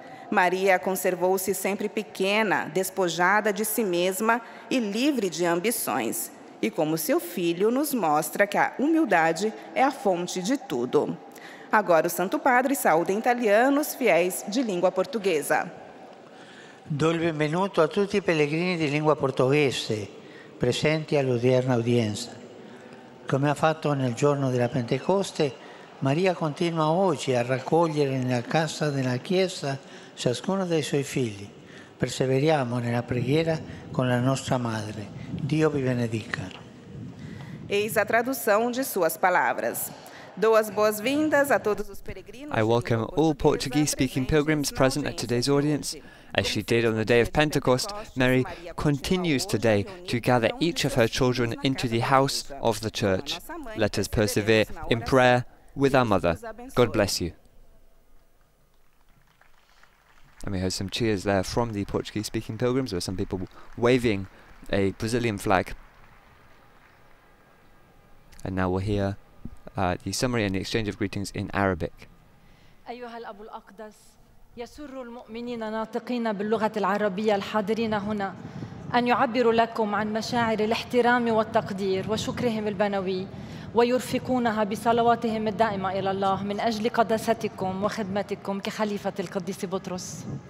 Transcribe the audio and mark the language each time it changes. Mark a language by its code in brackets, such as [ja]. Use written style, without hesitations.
[pt] Maria conservou-se sempre pequena, despojada de si mesma e livre de ambições. E como seu filho, nos mostra que a humildade é a fonte de tudo. Agora o Santo Padre saúda em italiano os fiéis de língua portuguesa. [it] Do il benvenuto a tutti i pellegrini di lingua portoghese presenti all'odierna udienza. Come ha fatto nel giorno della Pentecoste, Maria continua oggi a raccogliere nella casa della Chiesa ciascuno dei suoi figli. Perseveriamo nella preghiera con la nostra madre. Dio vi benedica. [pt] Eis a tradução de suas palavras. [en] I welcome all Portuguese-speaking pilgrims present at today's audience. As she did on the day of Pentecost, Mary continues today to gather each of her children into the house of the Church. Let us persevere in prayer with our Mother. God bless you. And we heard some cheers there from the Portuguese-speaking pilgrims. There were some people waving a Brazilian flag. And now we'll hear the summary and the exchange of greetings in Arabic. [ar] أيها الأب الأقدس يسر المؤمنين الناطقين باللغة العربية الحاضرين هنا أن يعبروا لكم عن مشاعر الاحترام والتقدير وشكرهم البنوي ويرفقونها بصلواتهم الدائمة إلى الله من أجل قداستكم وخدمتكم كخليفة القديس بطرس.